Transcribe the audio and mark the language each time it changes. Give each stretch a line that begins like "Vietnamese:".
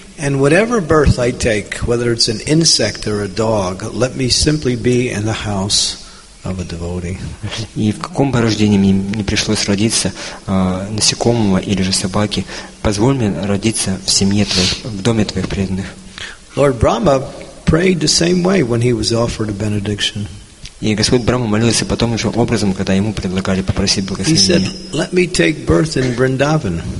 English: And whatever birth I take, whether it's an insect or a dog, let me simply be in the house of a devotee.
Russian: И в каком бы рождении мне не пришлось родиться, насекомого или же собаки, позволь мне родиться в семье твоих, в доме твоих преданных.
English: Lord Brahma prayed the same way when he was offered a benediction.
Russian: И Господь Брама молился потом же образом, когда ему предлагали попросить благословения.